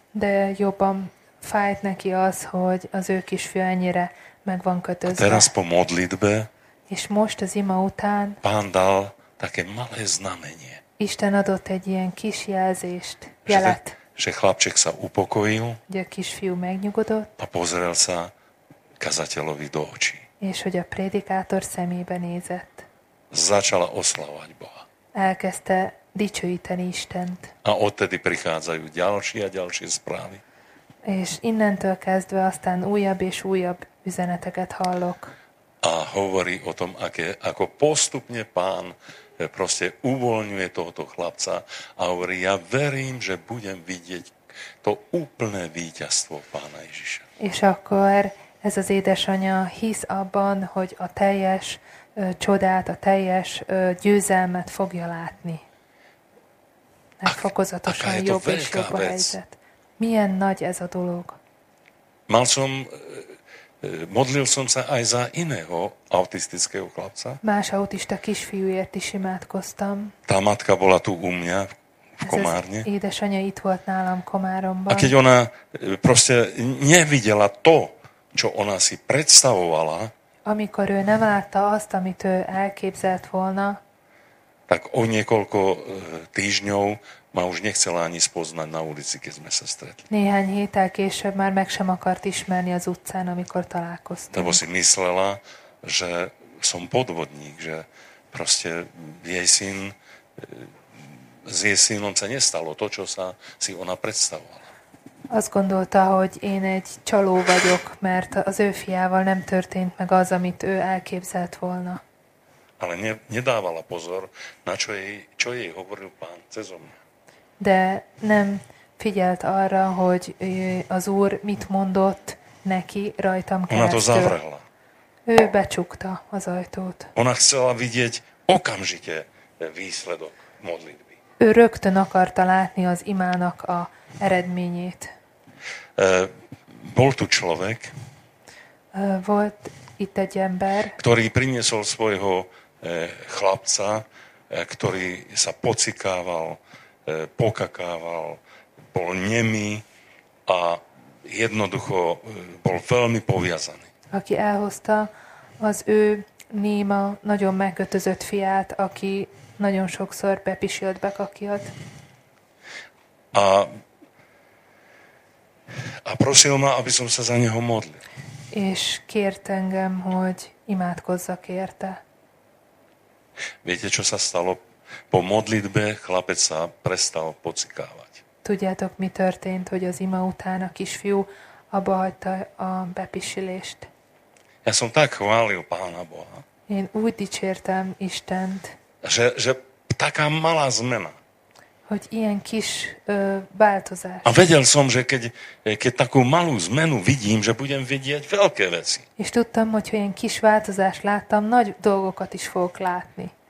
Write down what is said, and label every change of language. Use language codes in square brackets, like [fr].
[hu] De jobban fájt neki az, hogy az ő kisfiú ennyire meg van kötözve. [sk] A teraz po modlitbe. [hu] És most az ima után. [sk] Pán dal také malé znamenie. [hu] Isten adott egy ilyen kis jelzést, jelet. [sk] Že chlapček sa upokojil. [hu] Hogy a kisfiú megnyugodott. [sk] A pozrel sa kazateľovi do očí. [hu] És hogy a prédikátor szemébe nézett. [sk] Začala oslavať Boha. [hu] Elkezdte dicsőíteni Istent. [sk] A odtedy prichádzajú ďalšie a ďalšie správy. [hu] És innentől kezdve aztán újabb és újabb üzeneteket hallok. [sk] A hovorí o tom, ako postupne pán proste uvoľňuje tohoto chlapca a hovorí, ja verím, že budem vidieť to úplné víťazstvo pána Ježiša. [hu] És akkor ez az édesanyja hisz abban, hogy a teljes csodát, a teljes győzelmet fogja látni. Mert fokozatosan jobb és jobb a helyzet. Milyen nagy ez a dolog? [sk] Modlil som sa aj za iného autistického chlapca. [hu] Más autista kisfiúért is imádkoztam. [sk] Tá matka bola tu u mňa. V Komárne. [hu] Édesanyja itt volt nálam Komáromban. [sk] A keď ona proste nevidela to, čo ona si predstavovala, [hu] amikor ő nem látta azt, amit ő elképzelt volna, [sk] tak o niekoľko týždňov ma už nechcela ani spoznať na ulici, keď sme sa stretli. [hu] Néhány héttel később már meg sem akart ismerni az utcán, amikor találkoztunk. [sk] Lebo si myslela, že som podvodník, že proste jej syn, s jej synom sa nestalo to, čo sa si ona predstavovala. [hu] Azt gondolta, hogy én egy csaló vagyok, mert az ő fiával nem történt meg az, amit ő elképzelt volna. [sk] Ale nedávala pozor, na čo jej hovoril pán cez mňa. [hu] De nem figyelt arra, hogy az úr mit mondott neki rajtam keresztül. [sk] Ona to zavrhla. [hu] Ő becsukta az ajtót. [sk] Ona chcela vidieť okamžite výsledok modlitby. [hu] Ő rögtön akarta látni az imának a eredményét. [sk] Bol tu človek, [hu] volt itt egy ember, [sk] ktorý priniesol svojho chlapca, ktorý sa pocikával, pokakával, bol nemý a jednoducho bol veľmi poviazaný. [hu] Aki elhozta az ő néma, nagyon megkötözött fiát, aki nagyon sokszor bepisilt, bekakilt. [sk] A prosil ma, aby som sa za neho modlil. [hu] És kért engem, hogy imádkozzak érte. [sk] Viete, čo sa stalo? Po modlitbe chlapec sa prestal pocikávať. [hu] Tudjátok, mi történt, hogy az ima után a kisfiú abba hagyta a bepisilést. [sk] Ja som tak chválil Pána Boha. [hu] Én úgy dicsértem Istent. [sk] Že taká malá zmena. [hu] Hogy ilyen kis változás. [sk] A vedel som, že keď takú malú zmenu vidím, že budem vidieť veľké veci. [hu] És tudtam, hogy ilyen kis változást láttam, nagy dolgokat is fogok látni.